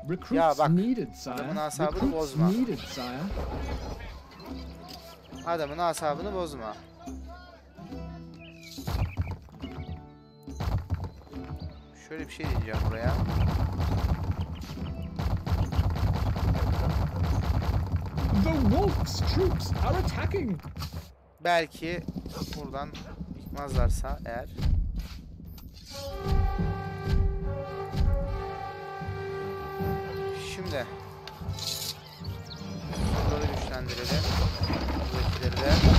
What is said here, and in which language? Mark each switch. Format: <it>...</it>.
<tr>Ya bak, adamın asabını bozma. Adamın asabını bozma. Şöyle bir şey diyeceğim buraya.</tr> <en>The wolf's troops are attacking.</en> <tr>Belki buradan çıkmazlarsa eğer. Şimdi şuraları güçlendirelim. Buradakileri de.</tr>